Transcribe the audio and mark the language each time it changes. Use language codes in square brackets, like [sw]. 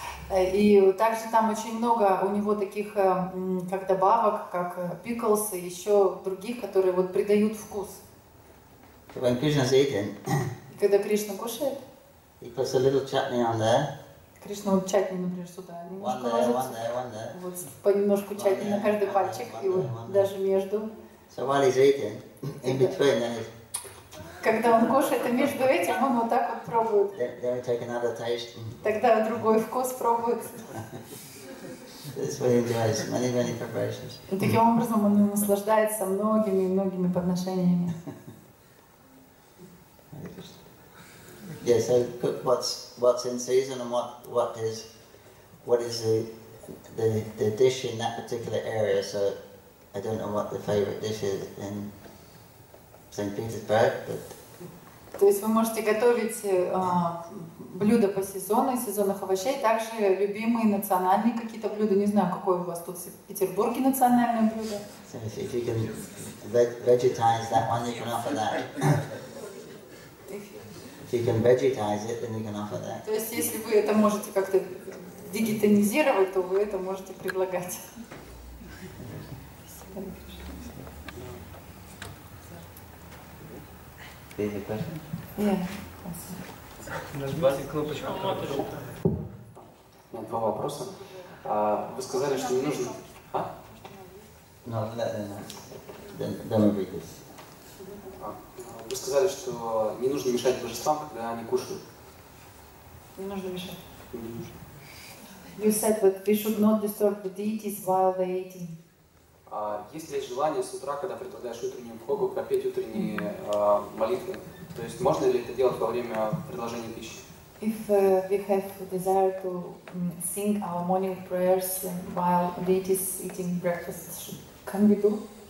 [ru] И также там очень много у него таких как добавок, как pickles и еще других, которые вот придают вкус. [en] When Krishna's eating. [ru] Когда Кришна кушает. [en] He puts a little chutney on there. [ru] Кришна вот чатни, например, сюда. Немножко [en] one [ru] ложится. [en] One there. [ru] Вот понемножку чатни на каждый пальчик и вот даже между. [en] So while he's eating, in between, then he's... [ru] Когда он кушает, и между этим он вот так вот пробует. [en] Then he take another taste. [ru] Тогда другой вкус пробует. [en] This way he enjoys many preparations. [ru] И таким образом он наслаждается многими подношениями. [en] Yeah, so cook what's in season and what is the dish in that particular area. So I don't know what the favorite dish is in St. Petersburg, but. [ru] То есть вы можете готовить блюда по сезону, сезонных овощей, также любимые национальные какие-то блюда. Не знаю, какое у вас тут в Петербурге национальное блюдо. [en] So if you can vegetize that one, you can offer that. If you can vegetize it, then you can offer that. [ru] То есть, если вы это можете как-то вегетанизировать, то вы это можете предлагать. Есть вопрос? Нет. Нажимайте кнопочку. Два вопроса. Вы сказали, что не нужно. А? [en] No, then we read this. [ru] Вы сказали, что не нужно мешать божествам, когда они кушают. Не нужно мешать. [en] You said that we should not disturb the deities while they eating. [ru] Есть ли желание с утра, когда предлагаешь утреннюю пхогу, пропеть утренние молитвы? То есть можно ли это делать во время предложения пищи? [en] If we have desire to sing our morning prayers while deities eating breakfast, can we do?